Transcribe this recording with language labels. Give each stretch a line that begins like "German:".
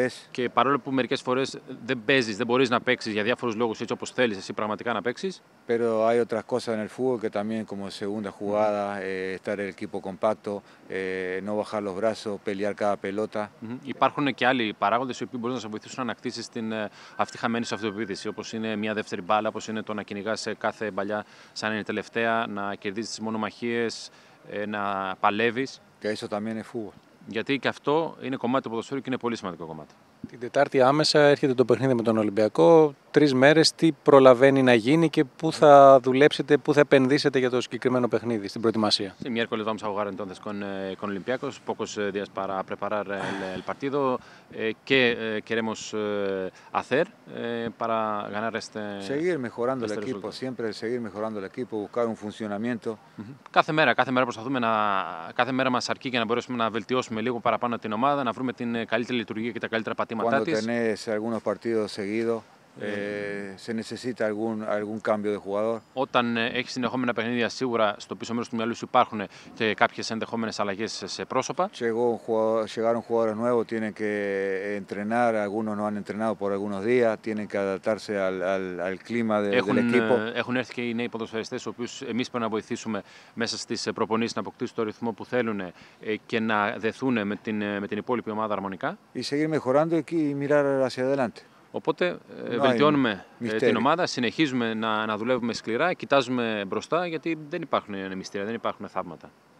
Greek: Και παρόλο που μερικές φορές δεν παίζεις, δεν μπορείς να παίξεις για διάφορους λόγους έτσι όπως θέλεις εσύ πραγματικά να παίξεις.
Spanish: Pero hay otras cosas en el fútbol que también como segunda jugada, estar el equipo compacto, no bajar los brazos, pelear cada pelota.
Greek: Υπάρχουν και άλλοι παράγοντες οι οποίοι μπορούν να σε βοηθήσουν να ανακτήσεις την αυτή χαμένη σου αυτοπεποίθηση, όπως είναι μια δεύτερη μπάλα, όπως είναι το να κυνηγάς κάθε παλιά σαν είναι τελευταία, να κερδίζεις τις μονομαχίες, να παλεύεις. Και
Spanish: eso también es fútbol.
Greek: Γιατί και αυτό είναι κομμάτι του ποδοσφαίρου και είναι πολύ σημαντικό κομμάτι. Την Τετάρτη άμεσα έρχεται το παιχνίδι με τον Ολυμπιακό. Τρεις μέρες, τι προλαβαίνει να γίνει και πού θα δουλέψετε, πού θα επενδύσετε για το συγκεκριμένο παιχνίδι στην προετοιμασία?
Spanish: Σε miércoles vamos a jugar entonces con Olympiacos, pocos días para preparar el partido. ¿Qué queremos hacer para ganar este? Seguir mejorando el equipo, siempre seguir mejorando el equipo, buscar un funcionamiento.
Greek: Κάθε μέρα προσπαθούμε να. Κάθε μέρα μας αρκεί για να μπορέσουμε να βελτιώσουμε λίγο παραπάνω την ομάδα, να βρούμε την καλύτερη λειτουργία και τα καλύτερα πατήματά της.
Spanish: Cuando tenés algunos partidos seguidos, se necesita algún cambio de jugador.
Greek: Όταν έχεις συνεχόμενα παιχνίδια, σίγουρα στο πίσω μέρος του μυαλού σου υπάρχουν και κάποιες ενδεχόμενες αλλαγές σε πρόσωπα.
Spanish: Llegaron jugadores nuevos, tienen que entrenar, algunos no han entrenado por algunos días, tienen que adaptarse al clima del equipo.
Greek: Έχουν έρθει και οι νέοι ποδοσφαιριστές, οποίους εμείς πρέπει να βοηθήσουμε μέσα στις προπονήσεις να αποκτήσουν το ρυθμό που θέλουν και να δεθούν με την υπόλοιπη ομάδα αρμονικά.
Spanish: Y seguir mejorando y mirar hacia adelante.
Greek: Οπότε βελτιώνουμε την ομάδα, συνεχίζουμε να δουλεύουμε σκληρά, κοιτάζουμε μπροστά, γιατί δεν υπάρχουν μυστήρια, δεν υπάρχουν θαύματα.